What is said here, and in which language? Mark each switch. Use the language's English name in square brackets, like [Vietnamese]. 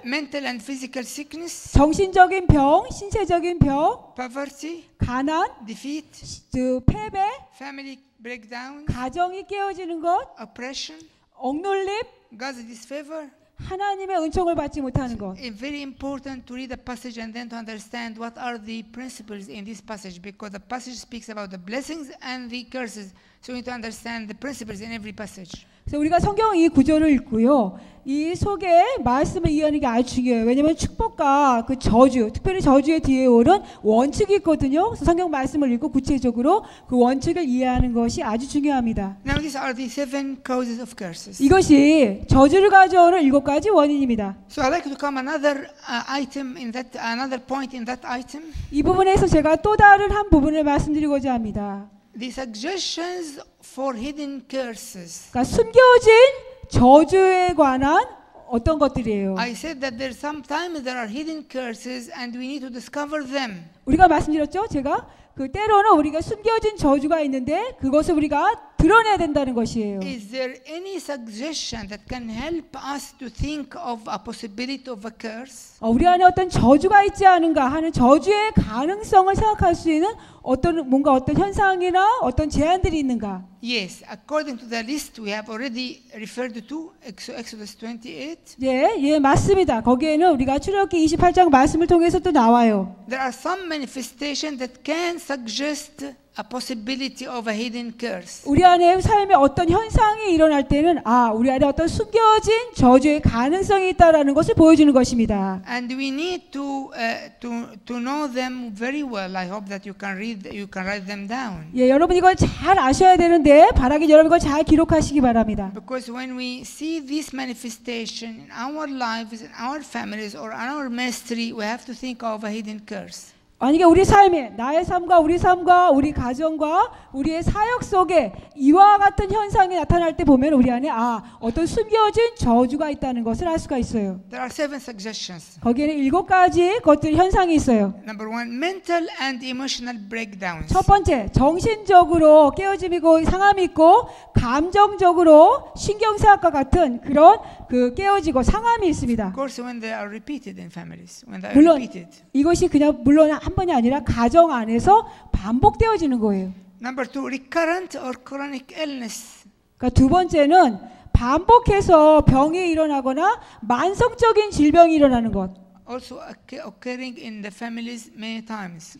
[English] mental and physical sickness, [Korean] 정신적인 병, 신체적인 병, [English] poverty, [Korean] 가난, [English] defeat, [Korean] 패배, [English] family breakdown, [Korean] 가정이 깨어지는 것, [English] oppression, [Korean] 억눌림, [English] God's disfavor. [Korean] 하나님의 은총을 받지 못하는 것. [English] It's very important to read the passage and then to understand what are the principles in this passage because the passage speaks about the blessings and the curses. So we need to understand the principles in every passage. [Korean] 그래서 우리가 성경 이 구절을 읽고요. 이 속에 말씀을 이해하는 게 아주 중요해요. 왜냐면 축복과 그 저주, 특별히 저주의 뒤에 오는 원칙이 있거든요. 그래서 성경 말씀을 읽고 구체적으로 그 원칙을 이해하는 것이 아주 중요합니다. [English] Now these are the seven causes of curses. [Korean] 이것이 저주를 가져오는 일곱 가지 원인입니다. [English] So I'd like to come another item in that another point in that item. [Korean] 이 부분에서 제가 또 다른 한 부분을 말씀드리고자 합니다. [English] The suggestions for hidden curses. [Korean] 그러니까 숨겨진 저주에 관한 어떤 것들이에요. [English] I said that there sometimes there are hidden curses and we need to discover them. [Korean] 우리가 말씀드렸죠, 제가 그 때로는 우리가 숨겨진 저주가 있는데 그것을 우리가 드러내야 된다는 것이에요. [English] Is there any suggestion that can help us to think of a possibility of a curse? [Korean] 우리 안에 어떤 저주가 있지 않은가 하는 저주의 가능성을 생각할 수 있는 어떤 뭔가 어떤 현상이나 어떤 제안들이 있는가? [English] Yes, according to the list we have already referred to Exodus 28. [Korean] 예, 예 맞습니다. 거기에는 우리가 출애굽기 28장 말씀을 통해서 또 나와요. [English] There are some manifestations that can suggest a possibility of a hidden curse. [Korean] 우리 안에 삶에 어떤 현상이 일어날 때는 아, 우리 안에 어떤 숨겨진 저주의 가능성이 있다라는 것을 보여주는 것입니다. [English] And we need to know them very well. I hope that you can write them down. [Korean] 예, 여러분 이걸 잘 아셔야 되는데 바라기 여러분 이걸 잘 기록하시기 바랍니다. [English] Because when we see this manifestation in our lives, in our families, or in our ministry, we have to think of a hidden curse. [Korean] 만약에 우리 삶에 나의 삶과 우리 삶과 우리 가정과 우리의 사역 속에 이와 같은 현상이 나타날 때 보면 우리 안에 아 어떤 숨겨진 저주가 있다는 것을 알 수가 있어요. [English] There are seven suggestions. [Korean] 거기에는 일곱 가지 것들 현상이 있어요. [English] Number one, mental and emotional breakdowns. [Korean] 첫 번째, 정신적으로 깨어짐이고 상함이 있고 감정적으로 신경쇠약과 같은 그런 그 깨어지고 상함이 있습니다. [English] Of course, when they are repeated in families, when they are repeated. [Korean] 물론 이것이 그냥 물론 한 번이 아니라 가정 안에서 반복되어지는 거예요. [English] Number two, recurrent or chronic illness. [Korean] 그러니까 두 번째는 반복해서 병이 일어나거나 만성적인 질병이 일어나는 것. [English] Also occurring in the families many times.